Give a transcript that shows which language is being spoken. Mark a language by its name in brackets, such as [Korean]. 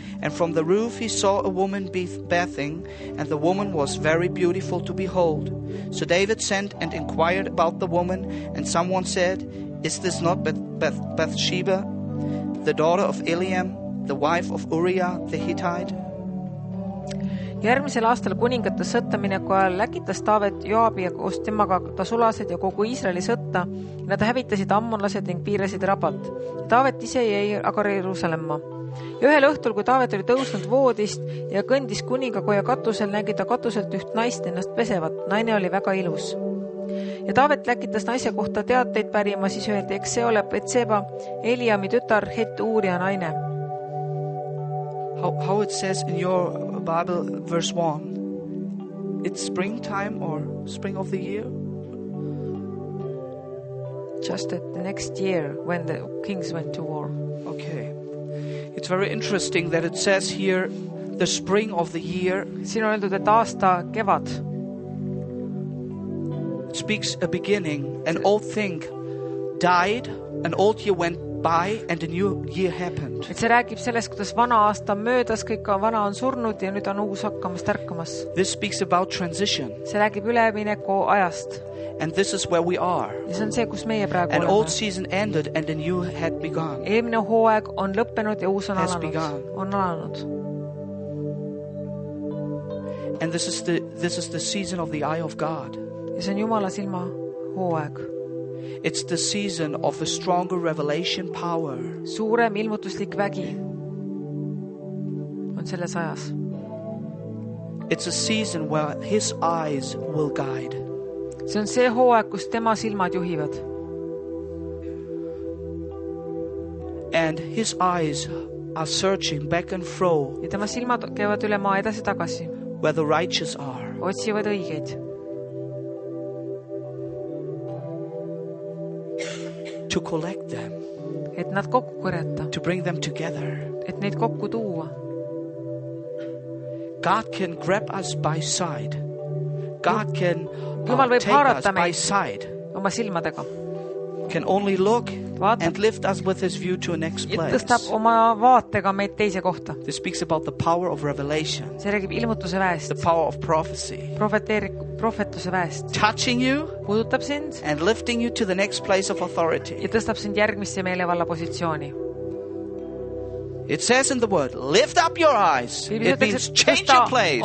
[English] And from the roof he saw a woman bathing, and the woman was very beautiful to behold. So David sent and inquired about the woman, and someone said, "Is this not Bathsheba, the daughter of Eliam, the wife of Uriah the Hittite?" [Estonian] Järgmisel aastal kuningate sõttamineku ajal läkitas David Joabi ja koos temaga ta sulased ja kogu Iisraeli sõtta. Nad hävitasid ammonlased ning piirasid Rabat. David ise jäi aga Jerusalemma. Ja ühel õhtul, kui David oli tõusnud voodist ja kõndis kuninga koja katusel, nägi ta katuselt üht naist ennast pesevat. Naine oli väga ilus. Ja David läkitas naise kohta teateid pärima, siis öeldi, eks see ole Betseba, Eliami tütar, het uurija naine. [English] How it says in your Bible, verse 1, it's springtime or spring of the year? Just at the next year when the kings went to war. Okay. It's very interesting that it says here the spring of the year. [Estonian] Siin on öeldud, et aasta kevad. [English] It speaks a beginning. An old thing died, an old year went by and a new year happened. [Estonian] Et see räägib sellest, kuidas vana aasta möödas, kõik on vana on surnud ja nüüd on uus hakkamas tärkamas. [English] This speaks about transition. [Estonian] See räägib ülemineku ajast. [English] And this is where we are. [Estonian] Ja see on see, kus meie praegu oleme. [English] An old season ended and a new had begun. [Estonian] Eelmine hooaeg on lõppenud ja uus on alanud. [English] Has begun. [Estonian] On alanud. [English] And this is the season of the eye of God. [Estonian] Ja see on Jumala silma hooaeg. [English] It's the season of a stronger revelation power. [Estonian] Suurem ilmutuslik vägi on selles ajas. [English] It's a season where his eyes will guide. [Estonian] See on see hooaeg, kus tema silmad juhivad. [English] And his eyes are searching back and fro. [Estonian] Ja tema silmad käivad üle maa edasi tagasi. [English] Where the righteous are. [Estonian] Otsivad õigeid. [English] To collect them. [Estonian] Et nad kokku kõrjata. [English] To bring them together. [Estonian] Et neid kokku tuua. [English] God can grab us by side. God can [Estonian] Jumal võib haarata meid oma silmadega. [English] Can only look and lift us with his view to a next place. [Estonian] Ja tõstab oma vaatega meid teise kohta. [English] This speaks about the power of revelation. [Estonian] See räägib ilmutuse väest. [English] The power of prophecy. [Estonian] Profetuse väest. [English] Touching you. [Estonian] Puudutab sind. [English] And lifting you to the next place of authority. [Estonian] Ja tõstab sind järgmisse meelevalla positsiooni. [English] It says in the word, lift up your eyes. It means change your place.